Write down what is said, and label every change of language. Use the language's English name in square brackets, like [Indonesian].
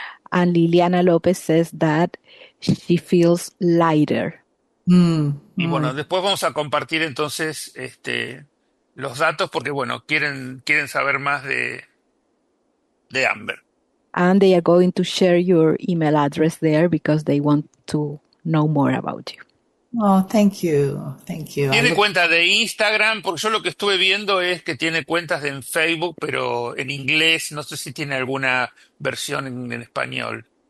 [English] And Liliana López says that she feels lighter. [Spanish] Y bueno, después vamos a compartir entonces los datos porque, bueno, quieren saber más de Amber. [English] And they are going to share your email address there because they want to know more about you. Oh, thank you. [Spanish] ¿Tiene cuenta de Instagram? Porque yo lo que estuve viendo es que tiene cuentas en Facebook, pero en inglés. No sé si tiene alguna versión en español.